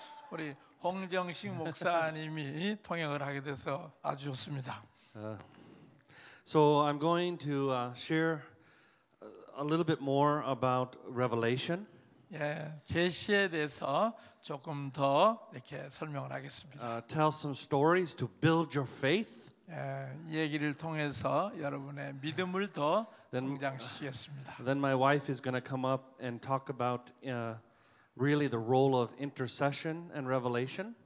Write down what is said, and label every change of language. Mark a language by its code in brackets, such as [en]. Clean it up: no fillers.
[ko] 우리 홍정식 목사님이 통역을 하게 돼서 아주 좋습니다. [en] So I'm going to share a little bit more about Revelation. [ko] 예, 계시에 대해서 조금 더 이렇게 설명을 하겠습니다. [en] Tell some stories to build your faith. [ko] 예, 얘기를 통해서 여러분의 믿음을 더 [en] Then my wife is going to come up and talk about really the role of intercession and revelation.